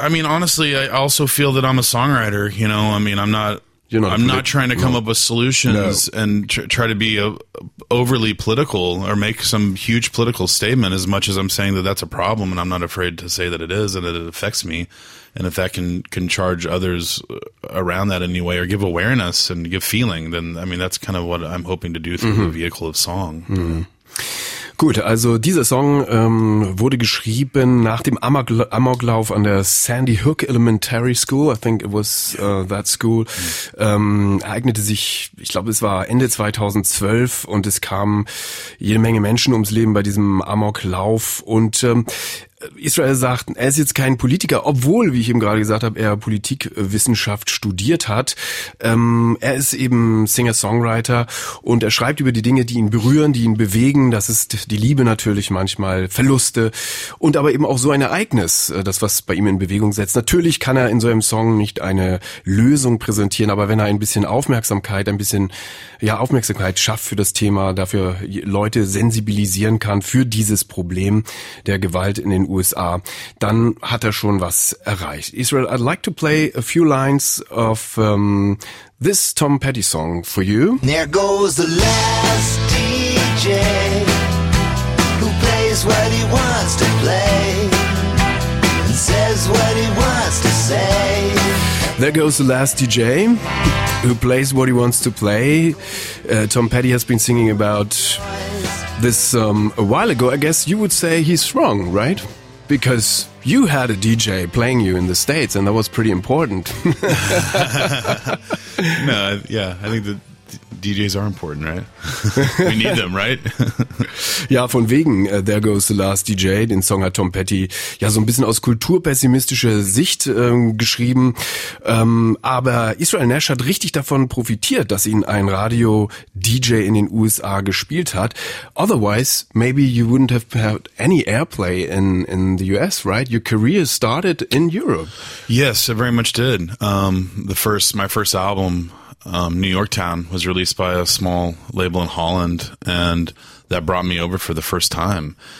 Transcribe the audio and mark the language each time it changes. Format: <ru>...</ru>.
<en>I mean, honestly, I also feel that I'm a songwriter. You know, I mean, I'm not trying to come up with solutions and try to be overly political or make some huge political statement, as much as I'm saying that that's a problem and I'm not afraid to say that it is and that it affects me. And if that can charge others around that in any way, or give awareness and give feeling, then, I mean, that's kind of what I'm hoping to do through the vehicle of song. Mm-hmm.</en> <de>Gut, also dieser Song wurde geschrieben nach dem Amoklauf an der Sandy Hook Elementary School.</de> <en>I think it was that school.</en> <de>Ereignete sich, ich glaube, es war Ende 2012, und es kamen jede Menge Menschen ums Leben bei diesem Amoklauf. Und Israel sagt, er ist jetzt kein Politiker, obwohl, wie ich eben gerade gesagt habe, er Politikwissenschaft studiert hat. Er ist eben Singer-Songwriter, und er schreibt über die Dinge, die ihn berühren, die ihn bewegen. Das ist die Liebe natürlich, manchmal Verluste und aber eben auch so ein Ereignis, das was bei ihm in Bewegung setzt. Natürlich kann er in so einem Song nicht eine Lösung präsentieren, aber wenn er ein bisschen Aufmerksamkeit schafft für das Thema, dafür Leute sensibilisieren kann für dieses Problem der Gewalt in den USA, dann hat er schon was erreicht.</de> <en>Israel, I'd like to play a few lines of this Tom Petty song for you. There goes the last DJ who plays what he wants to play and says what he wants to say. There goes the last DJ who plays what he wants to play. Tom Petty has been singing about this a while ago. I guess you would say he's wrong, right? Because you had a DJ playing you in the States, and that was pretty important. No, yeah, I think that DJs are important, right? We need them, right?</en> <de>Ja, von wegen, There Goes the Last DJ, den Song hat Tom Petty ja so ein bisschen aus kulturpessimistischer Sicht geschrieben. Aber Israel Nash hat richtig davon profitiert, dass ihn ein Radio-DJ in den USA gespielt hat.</de> <en>Otherwise, maybe you wouldn't have had any airplay in the US, right? Your career started in Europe. Yes, it very much did. My first album, New York Town, was released by a small label in Holland, and that brought me over for the first time.</en>